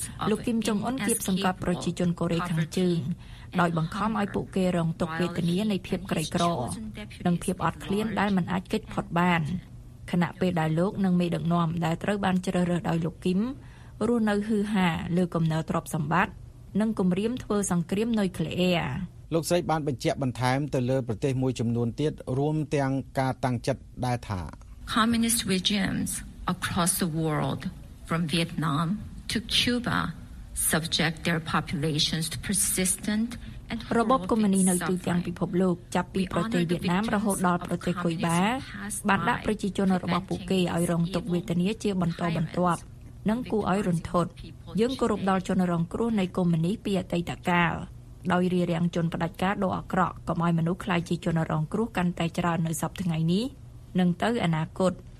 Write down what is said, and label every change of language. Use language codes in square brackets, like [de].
[km] លោកគីមចុងអ៊ុនគៀបសង្កត់ប្រជាជនកូរ៉េខាងជើងដោយបង្ខំឲ្យពួកគេរងទុក្ខវេទនានៃភាពក្រីក្រនិងភាពអត់ឃ្លានដែលមិនអាចគេចផុតបានខណៈពេលដែលលោកនិងមេដឹកនាំដែលត្រូវបានជ្រើសរើសដោយលោកគីមរស់នៅហឺហាលើកំណើទ្រព្យសម្បត្តិនិងគំរាមធ្វើសង្គ្រាមនុយក្លេអ៊ែរ លោកស្រីបានបញ្ជាក់បន្ថែមទៅលើប្រទេសមួយចំនួនទៀតរួមទាំងការតាំងចិត្តដែលថា [en] Communist regimes across the worldFrom Vietnam to Cuba, subject their populations to persistent and [km] horrible របបកុម្មុយនីសនៅទូទាំងពិភពលោកចាប់ពីប្រទេសវៀតណាមរហូតដល់ប្រទេសគុយបាបានដាក់ប្រជាជនរបស់ពួកគេឲ្យរងទុក្ខវេទនាជាបន្តបន្ទាប់និងគួរឲ្យរន្ធត់យើងគោរពដល់ជនរងគ្រោះនៃកុម្មុយនីសពីអតីតកាលដោយរារាំងជនផ្ដាច់ការដ៏អាក្រក់កុំឲ្យមនុស្សក្លាយជាជនរងគ្រោះកាន់តែច្រើននៅសប្តាហ៍នេះនិងទៅអនាគត